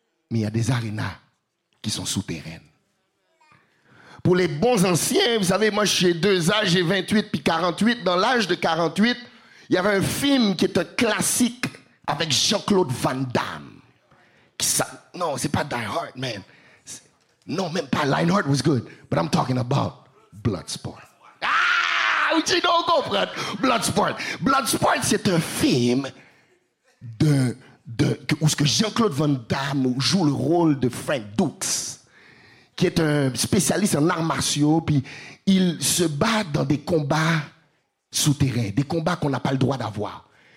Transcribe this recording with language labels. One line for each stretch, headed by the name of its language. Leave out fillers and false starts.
French: Mais il y a des arénas qui sont souterraines. Pour les bons anciens, vous savez, moi, j'ai 2 ans, j'ai 28 puis 48. Dans l'âge de 48, il y avait un film qui est un classique avec Jean-Claude Van Damme. Non, c'est pas Die Hard, man. Non, même pas.
English: Die Hard was good. But I'm talking about Bloodsport.
French: Ah! Tu n'en comprends? Bloodsport. Bloodsport, c'est un film où ce que Jean-Claude Van Damme joue le rôle de Frank Dux, qui est un spécialiste en arts martiaux, puis il se bat dans des combats souterrains, des combats qu'on n'a pas le droit d'avoir.